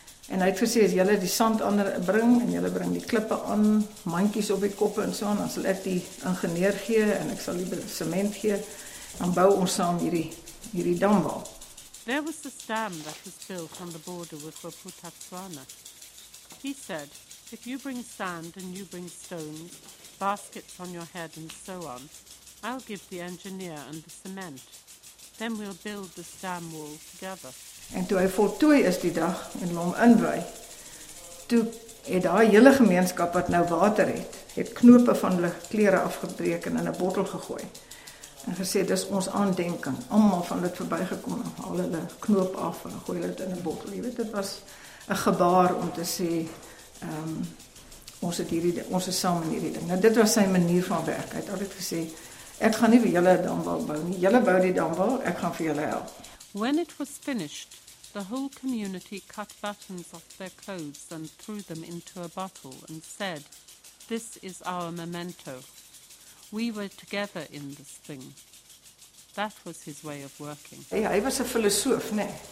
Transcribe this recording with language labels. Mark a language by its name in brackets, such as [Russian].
[Afrikaans] En hy het gesê, as jylle die sand ander bring, en jylle bring die klippe aan, mankies op die koppe en so, dan sal ek die ingenieur gee, en ek sal die cement gee, dan bou ons saam hierdie damwal. [English] There was the dam that was built on the border with Waputatswana. He said, if you bring sand and you bring stones, baskets on your head and so on, I'll give the engineer and the cement. Then we'll build the dam wall together. [Afrikaans] En toe hy voltooi is die dag en hom inwy, toe het daai hele gemeenskap wat nou water het, het knope van hulle klere afgebreek en in 'n bottel gegooi. En gesê, dis ons aandenking, almal van dit verbygekom, haal hulle knoop af en gooi dit in 'n bottel. Jy weet, dit was 'n gebaar om te sê, ons is saam in hierdie ding. Nou, dit was sy manier van werk. Hy het altyd gesê, ek gaan nie vir julle damwal bou nie, julle bou die damwal, ek gaan vir julle help. [English] When it was finished, the whole community cut buttons off their clothes and threw them into a bottle and said, this is our memento. We were together in this thing. That was his way of working. [Afrikaans] Ja, hy was 'n filosoof, né?